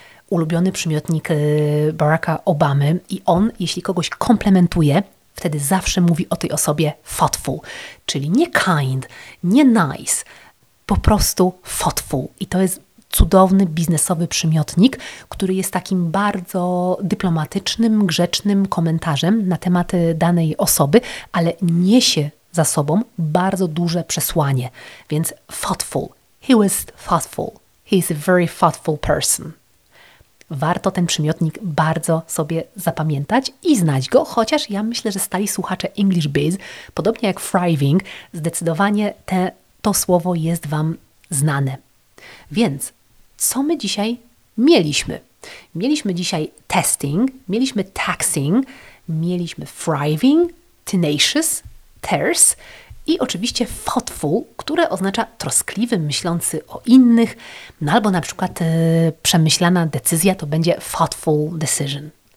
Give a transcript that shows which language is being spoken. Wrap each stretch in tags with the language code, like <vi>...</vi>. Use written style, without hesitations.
<pl>Ulubiony przymiotnik Baracka Obamy i on, jeśli kogoś komplementuje, wtedy zawsze mówi o tej osobie thoughtful, czyli nie kind, nie nice, po prostu thoughtful. I to jest cudowny biznesowy przymiotnik, który jest takim bardzo dyplomatycznym, grzecznym komentarzem na temat danej osoby, ale niesie za sobą bardzo duże przesłanie. Więc</pl> <en>thoughtful. He was thoughtful. He is a very thoughtful person.</en> <pl>Warto ten przymiotnik bardzo sobie zapamiętać i znać go, chociaż ja myślę, że stali słuchacze English Biz, podobnie jak thriving, zdecydowanie to słowo jest Wam znane. Więc co my dzisiaj mieliśmy? Mieliśmy dzisiaj testing, mieliśmy taxing, mieliśmy thriving, tenacious, terse i oczywiście thoughtful, które oznacza troskliwy, myślący o innych, no albo na przykład przemyślana decyzja to będzie thoughtful decision.</pl>